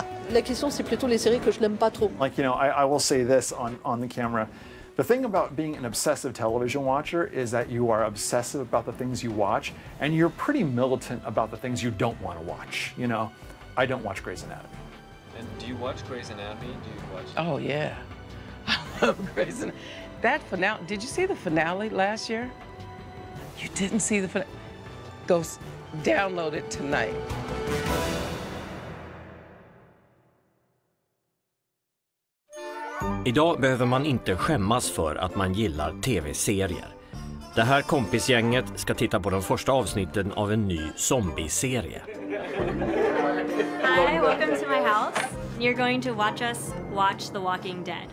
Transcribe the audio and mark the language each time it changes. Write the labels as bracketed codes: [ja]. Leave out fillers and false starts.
[fr] La question, c'est plutôt les séries que je n'aime pas trop. [en] Like, you know, I will say this on the camera. The thing about being an obsessive television watcher is that you are obsessive about the things you watch, and you're pretty militant about the things you don't want to watch. You know, I don't watch Grey's Anatomy. And do you watch Grey's Anatomy? Do you watch? Oh yeah, I love Grey's Anatomy. That finale. Did you see the finale last year? You didn't see the finale. Go download it tonight. [sv] Idag behöver man inte skämmas för att man gillar TV-serier. Det här kompisgänget ska titta på de första avsnitten av en ny zombie-serie. [en] Hi, welcome to my house. You're going to watch us watch The Walking Dead.